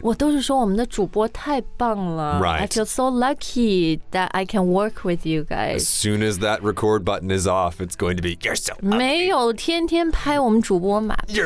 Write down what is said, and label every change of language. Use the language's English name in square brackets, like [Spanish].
[Chinese] 我都是说我们的主播太棒了。 [English] Right. I feel so lucky that I can work with you guys. As soon as that record button is off, it's going to be you're so ugly. [Chinese] 没有，天天拍我们主播马屁。